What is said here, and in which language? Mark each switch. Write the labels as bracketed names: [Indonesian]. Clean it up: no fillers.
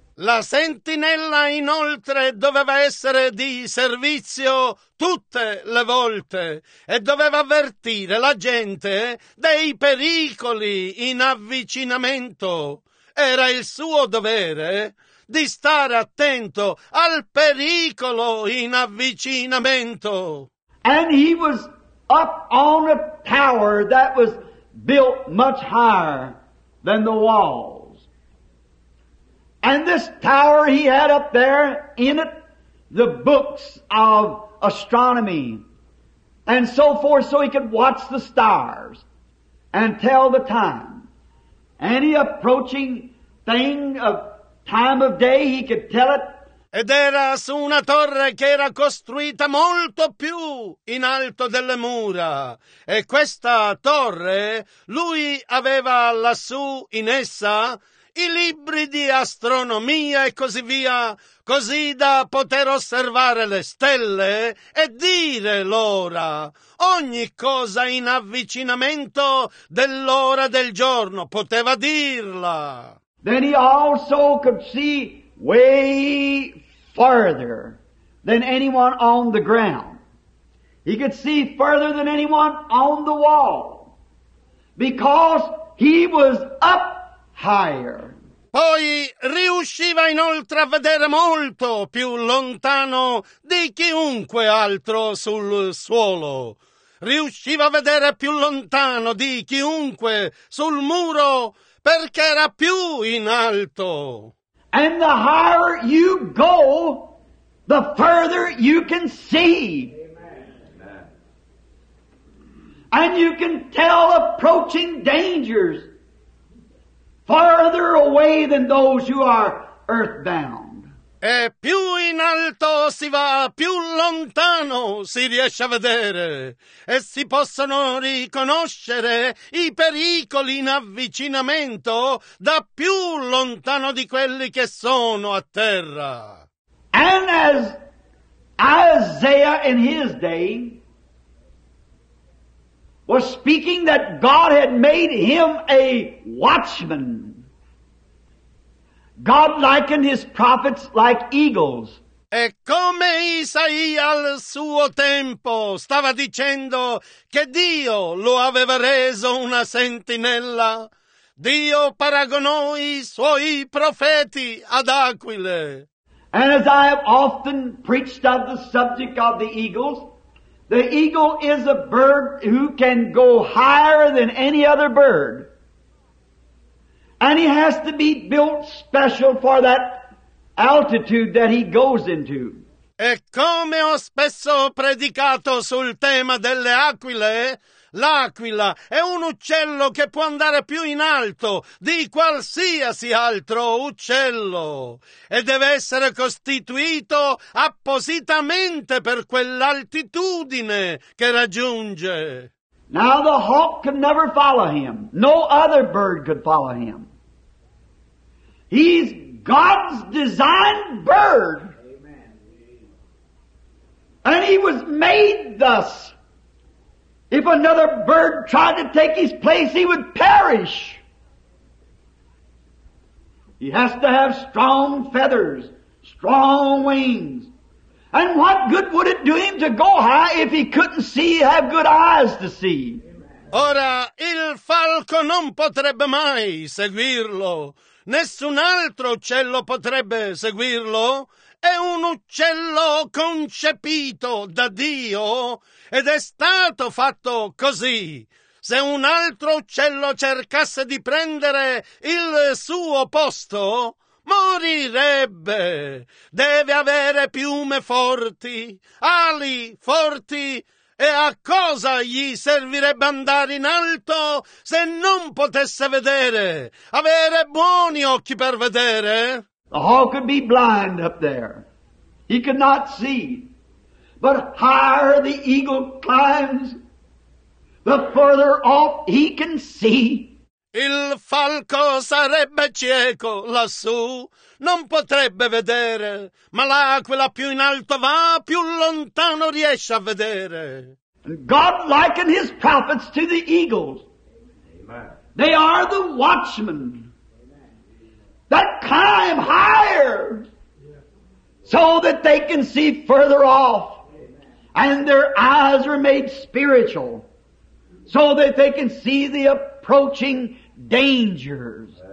[Italian] La sentinella inoltre doveva essere di servizio tutte le volte e doveva avvertire la gente dei pericoli in avvicinamento. Era il suo dovere di stare attento al pericolo in avvicinamento. [English] And he was up on a tower that was built much higher than the walls. And this tower he had up there, in it the books of astronomy and so forth, so he could watch the stars and tell the time. Any approaching thing of time of day, he could tell it. [Italian] Ed era su una torre che era costruita molto più in alto delle mura. E questa torre, lui aveva lassù in essa i libri di astronomia e così via, così da poter osservare le stelle e dire l'ora, ogni cosa in avvicinamento dell'ora del giorno, poteva dirla. [English] Then he also could see way further than anyone on the ground. He could see further than anyone on the wall, because he was up higher. [Italian] Poi riusciva inoltre a vedere molto più lontano di chiunque altro sul suolo. Riusciva a vedere più lontano di chiunque sul muro, perché era più in alto. [English] And the higher you go, the further you can see. Amen. And you can tell approaching dangers farther away than those who are earthbound. [Italian] E più in alto si va, più lontano si riesce a vedere, e si possono riconoscere i pericoli in avvicinamento da più lontano di quelli che sono a terra. [English] And as Isaiah in his day was speaking that God had made him a watchman, God likened his prophets like eagles. [Italian] E come Isaia al suo tempo stava dicendo che Dio lo aveva reso una sentinella, Dio paragonò i suoi profeti ad aquile. [English] And as I have often preached of the subject of the eagles, the eagle is a bird who can go higher than any other bird. And he has to be built special for that altitude that he goes into. [Italian] E come ho spesso predicato sul tema delle aquile, l'aquila è un uccello che può andare più in alto di qualsiasi altro uccello e deve essere costituito appositamente per quell'altitudine che raggiunge. [English] Now the hawk could never follow him. No other bird could follow him. He's God's designed bird. Amen. And he was made thus. If another bird tried to take his place, he would perish. He has to have strong feathers, strong wings. And what good would it do him to go high if he couldn't see, have good eyes to see? [Italian] Ora, il falco non potrebbe mai seguirlo. Nessun altro uccello potrebbe seguirlo. È un uccello concepito da Dio ed è stato fatto così. Se un altro uccello cercasse di prendere il suo posto, morirebbe. Deve avere piume forti, ali forti. E a cosa gli servirebbe andare in alto se non potesse vedere, avere buoni occhi per vedere? [English] The hawk could be blind up there. He could not see. But higher the eagle climbs, the further off he can see. [Italian] Il falco sarebbe cieco lassù, non potrebbe vedere, ma l'aquila più in alto va, più lontano riesce a vedere. [English] God liken his prophets to the eagles. Amen. They are the watchmen. That climb higher so that they can see further off. And their eyes are made spiritual so that they can see the approaching dangers.